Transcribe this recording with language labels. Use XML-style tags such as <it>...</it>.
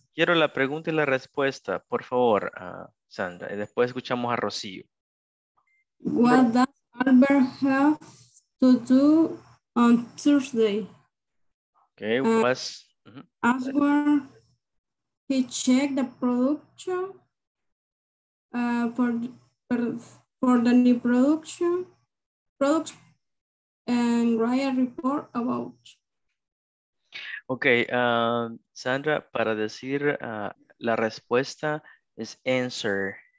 <es>Quiero la pregunta y la respuesta, por favor, Sandra. Y después escuchamos a Rocío.</es> <en>What does Albert have to do on Thursday? Okay, what's... As well, he checked the production for the new product and write a report about.</en> <es>Okay, Sandra, para decir la respuesta es answer.</es>